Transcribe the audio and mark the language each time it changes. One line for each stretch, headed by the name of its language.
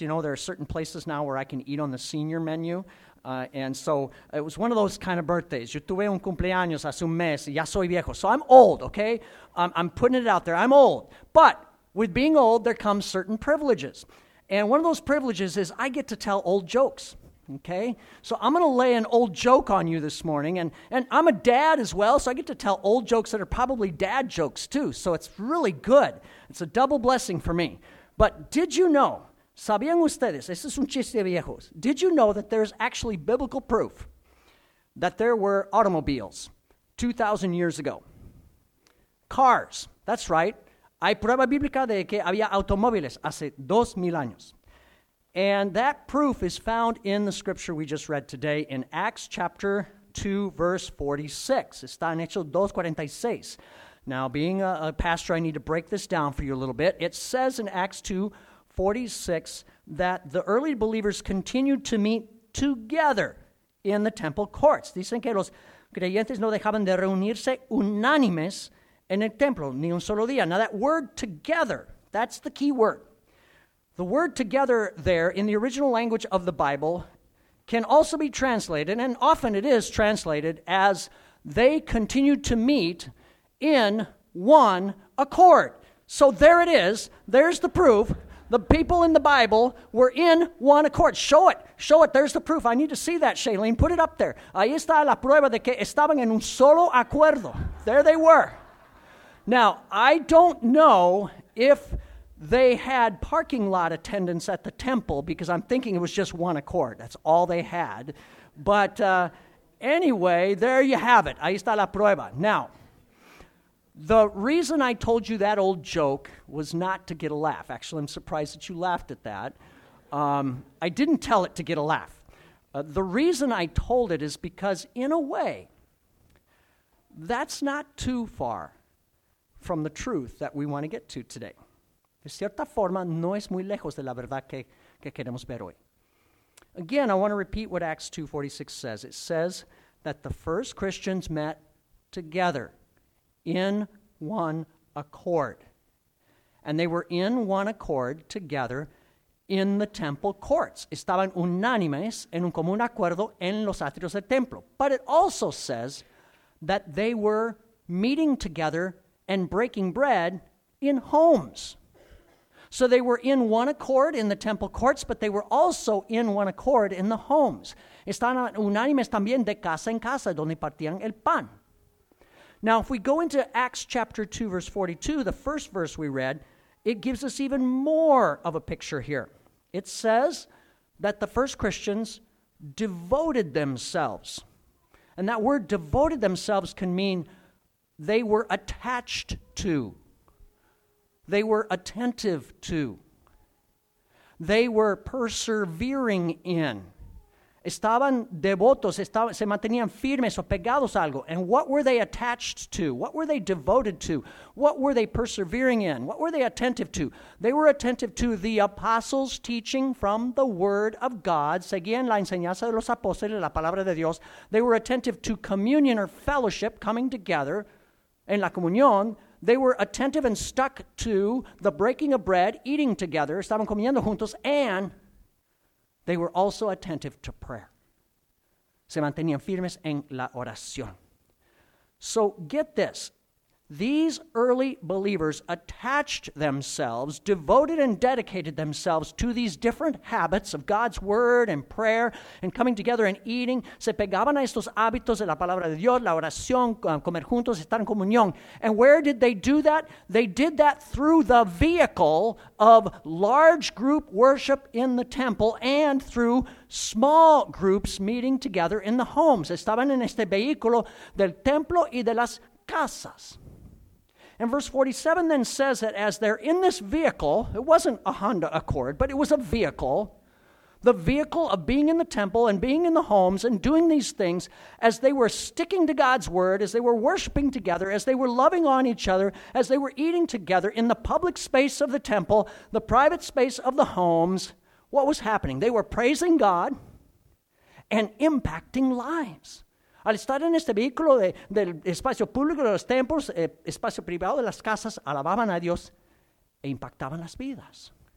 English: You know, there are certain places now where I can eat on the senior menu. And so it was one of those kind of birthdays.
Spanish: Yo tuve un cumpleaños hace un mes y ya soy viejo.
English: So I'm old, okay? I'm putting it out there. I'm old. But with being old, there come certain privileges. And one of those privileges is I get to tell old jokes. Okay, so I'm going to lay an old joke on you this morning, and I'm a dad as well, so I get to tell old jokes that are probably dad jokes too, so it's really good. It's a double blessing for me. But did you know,
Spanish: sabían ustedes, este es un chiste de viejos,
English: did you know that there's actually biblical proof that there were automobiles 2,000 years ago? Cars, that's right.
Spanish: Hay prueba bíblica de que había automóviles hace 2,000 años.
English: And that proof is found in the scripture we just read today in Acts chapter 2, verse 46.
Spanish: Está en Hechos 2, 46.
English: Now, being a pastor, I need to break this down for you a little bit. It says in Acts 2, 46 that the early believers continued to meet together in the temple courts.
Spanish: Dicen que los creyentes no dejaban de reunirse unánimes en el templo, ni un solo día.
English: Now, that word together, that's the key word. The word together there in the original language of the Bible can also be translated, and often it is translated, as they continued to meet in one accord. So there it is. There's the proof. The people in the Bible were in one accord. Show it. Show it. There's the proof. I need to see that, Shailene. Put it up there.
Spanish: Ahí está la prueba de que estaban en un solo acuerdo.
English: There they were. Now, I don't know if they had parking lot attendance at the temple, because I'm thinking it was just one accord. That's all they had. But anyway, there you have it.
Spanish: Ahí está la prueba.
English: Now, the reason I told you that old joke was not to get a laugh. Actually, I'm surprised that you laughed at that. I didn't tell it to get a laugh. The reason I told it is because, in a way, that's not too far from the truth that we want to get to today.
Spanish: De cierta forma, no es muy lejos de la verdad que queremos ver hoy.
English: Again, I want to repeat what Acts 2:46 says. It says that the first Christians met together in one accord. And they were in one accord together in the temple courts.
Spanish: Estaban unánimes en un común acuerdo en los atrios del templo.
English: But it also says that they were meeting together and breaking bread in homes. So they were in one accord in the temple courts, but they were also in one accord in the homes.
Spanish: Están unánimes también de casa en casa, donde partían el pan.
English: Now, if we go into Acts chapter 2, verse 42, the first verse we read, it gives us even more of a picture here. It says that the first Christians devoted themselves. And that word devoted themselves can mean they were attached to. They were attentive to. They were persevering in.
Spanish: Estaban devotos, se mantenían firmes o pegados a algo.
English: And what were they attached to? What were they devoted to? What were they persevering in? What were they attentive to? They were attentive to the apostles' teaching from the Word of God.
Spanish: Seguían la enseñanza de los apóstoles, la palabra de Dios.
English: They were attentive to communion or fellowship, coming together
Spanish: en la comunión.
English: They were attentive and stuck to the breaking of bread, eating together.
Spanish: Estaban comiendo juntos.
English: And they were also attentive to prayer.
Spanish: Se mantenían firmes en la oración.
English: So get this. These early believers attached themselves, devoted and dedicated themselves to these different habits of God's word and prayer and coming together and eating.
Spanish: Se pegaban a estos hábitos de la palabra de Dios, la oración, comer juntos, estar en comunión.
English: And where did they do that? They did that through the vehicle of large group worship in the temple and through small groups meeting together in the homes.
Spanish: Estaban en este vehículo del templo y de las casas.
English: And verse 47 then says that as they're in this vehicle, it wasn't a Honda Accord, but it was a vehicle, the vehicle of being in the temple and being in the homes and doing these things, as they were sticking to God's word, as they were worshiping together, as they were loving on each other, as they were eating together in the public space of the temple, the private space of the homes, what was happening? They were praising God and impacting lives.
Spanish: Al estar en este vehículo del espacio público de los templos, espacio privado de las casas, alababan a Dios e impactaban las vidas.